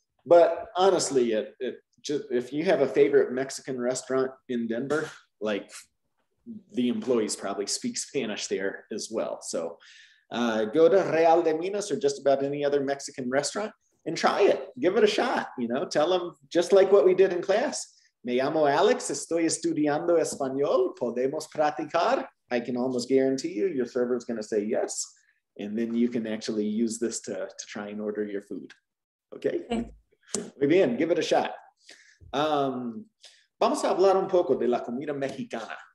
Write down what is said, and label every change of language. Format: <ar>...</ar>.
<en>But honestly, if you have a favorite Mexican restaurant in Denver, like the employees probably speak Spanish there as well. So go to Real de Minas or just about any other Mexican restaurant and try it. Give it a shot. You know, tell them just like what we did in class.</en> <es>Me llamo Alex, estoy estudiando español, podemos practicar.</es> <en>I can almost guarantee you your server is going to say yes. And then you can actually use this to try and order your food. Okay? Okay.</en> <es>Muy bien,</es> <en>give it a shot.</en> <es>Vamos a hablar un poco de la comida mexicana.</es>